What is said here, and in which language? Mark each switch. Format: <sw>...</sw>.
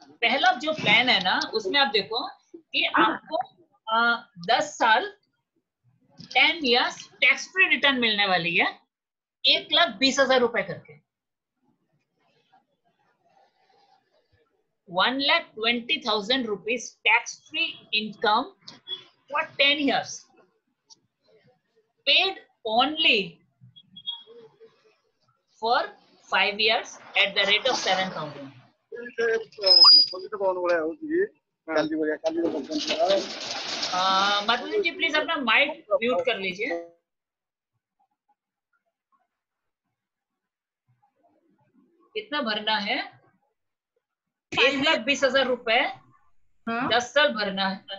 <hi>पहला जो प्लान है ना उसमें आप देखो कि आपको 10 साल 10 years टैक्स फ्री रिटर्न मिलने वाली है 1,20,000 रुपए करके,</hi> <en>120,000 rupees tax-free income for 10 years. Paid only for 5 years at the rate of 7,000.</en> <hi>Madhusudan ji please अपना माइक म्यूट कर लीजिए. कितना भरना है? 1,20,000 रुपए 10 साल भरना है.</hi>